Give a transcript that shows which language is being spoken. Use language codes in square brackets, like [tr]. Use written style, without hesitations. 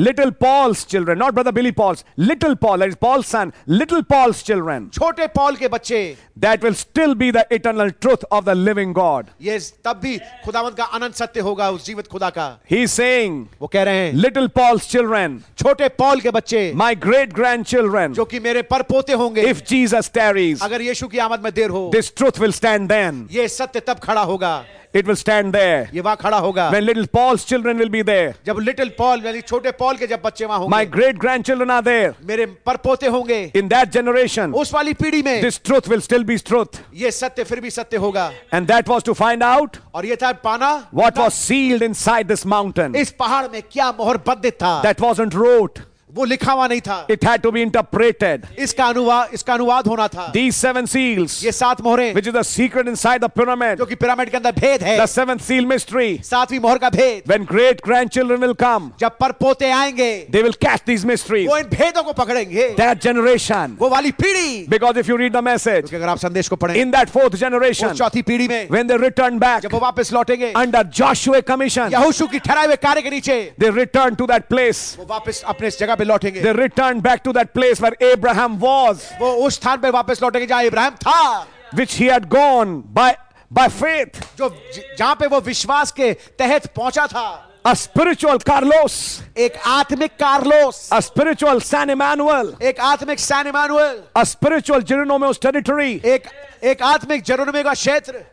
[en] Little Paul's children, not brother Billy Paul's. Little Paul, that is Paul's son. Little Paul's children. [hi] छोटे Paul के बच्चे. [en] That will still be the eternal truth of the living God. [hi] Yes, तब भी खुदावंत का अनंत सत्य होगा उस जीवित खुदा का. [en] He's saying. [hi] वो कह रहे हैं. [en] Little Paul's children. [hi] छोटे पॉल के बच्चे. [en] My great grandchildren. [hi] जो कि मेरे परपोते होंगे. [en] If Jesus tarries. [hi] अगर यीशु की आमद में देर हो. [en] This truth will stand then. [hi] ये सत्य तब खड़ा होगा. [en] It will stand there. [hi] ये वहाँ खड़ा होगा. [en] When little Paul's children will be there. [hi] जब little Paul यानी छोटे पॉल के जब बच्चे वहाँ होंगे. [en] My great grandchildren are there. [hi] मेरे परपोते होंगे. [en] In that generation. [hi] उस वाली पीढ़ी में. [en] This truth will still be truth. [hi] ये सत्य फिर भी सत्य होगा. [en] And that was to find out. [hi] और ये था पाना. [en] What was sealed inside this mountain. [hi] इस पहाड़ में क्या मोहर बंधित था. [en] That wasn't wrote. [hi] वो लिखा हुआ नहीं था. [en] It had to be interpreted. [hi] इसका अनुवाद होना था. [en] These seven seals. [hi] ये सात मोहरें. [en] Which is the secret inside the pyramid. [hi] जो कि पिरामिड के अंदर भेद है. [en] The seventh seal mystery. [hi] सातवीं मोहर का भेद. [en] When great grandchildren will come. [hi] जब परपोते आएंगे. [en] They will catch these mysteries. [hi] वो इन भेदों को पकड़ेंगे. [en] That generation. [hi] वो वाली पीढ़ी. [en] Because if you read the message. [hi] अगर आप संदेश को पढ़ें. [en] In that fourth generation. [hi] उस चौथी पीढ़ी में. [en] When they return back. [hi] जब वो वापस लौटेंगे. [en] Under Joshua commission. [hi] यहोशू की ठहराए हुए कार्य के नीचे. [en] They return to that place. [hi] वो वापस अपने जगह पे लौटेंगे. [en] They returned back to that place where Abraham was. [hi] वो उस स्थान पे वापस लौटेंगे जहां इब्राहिम था. [en] Which he had gone by faith. [hi] जो जहां पे वो विश्वास के तहत पहुंचा था. [en] A spiritual Carlos. [hi] एक आत्मिक Carlos. [en] A spiritual San Emmanuel. [hi] एक आत्मिक San Emmanuel. [en] A spiritual Jeronimo's territory. [hi] एक आत्मिक जेरोनिमो का क्षेत्र.